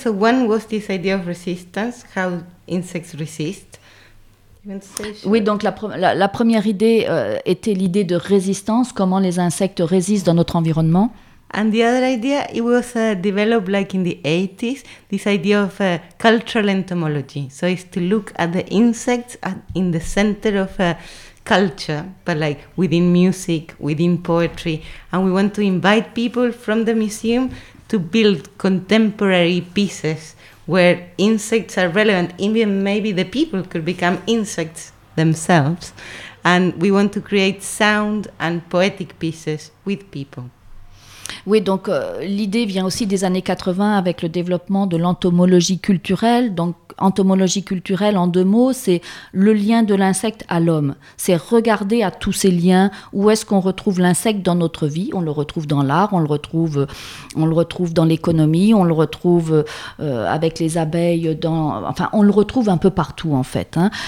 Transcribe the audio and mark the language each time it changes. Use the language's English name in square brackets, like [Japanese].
[English] So one was this idea of resistance, how insects resist. [French] Oui, donc la première idée était l'idée de résistance, comment les insectes résistent dans notre environnement. [English] And the other idea, it was developed like in the 80s, this idea of cultural entomology. So it's to look at the insects in the center of culture, but like within music, within poetry. And we want to invite people from the museum to build contemporary pieces where insects are relevant. Even maybe the people could become insects themselves. And we want to create sound and poetic pieces with people. [French] Oui, donc l'idée vient aussi des années 80 avec le développement de l'entomologie culturelle. Donc entomologie culturelle, en deux mots, c'est le lien de l'insecte à l'homme. C'est regarder à tous ces liens, où est-ce qu'on retrouve l'insecte dans notre vie. On le retrouve dans l'art, on le retrouve dans l'économie, on le retrouve avec les abeilles, on le retrouve un peu partout en fait. Hein.